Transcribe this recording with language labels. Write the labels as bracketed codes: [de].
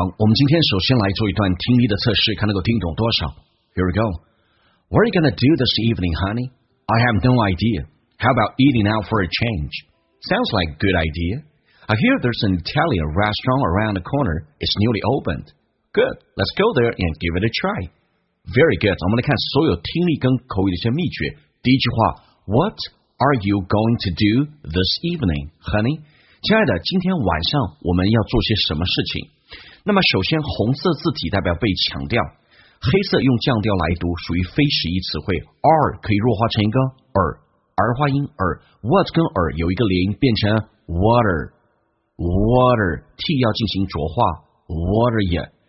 [zh] 我们今天首先来做一段听力的测试，看能够听懂多少。 [en] Here we go. What are you gonna do this evening, honey? I have no idea. How about eating out for a change? Sounds like a good idea. I hear there's an Italian restaurant around the corner. It's newly opened. Good. Let's go there and give it a try. Very good. [zh] 我们来看所有听力跟口语的一些秘诀。第一句话 [en] ，What are you going to do this evening, honey? [zh] 亲爱的，今天晚上我们要做些什么事情？那么首先，红色字体代表被强调，黑色用降调来读，属于非实义词汇。 are 可以弱化成一个 儿化音 儿。 what 跟 儿有一个连音，变成 water。t 要进行浊化 ，water 也。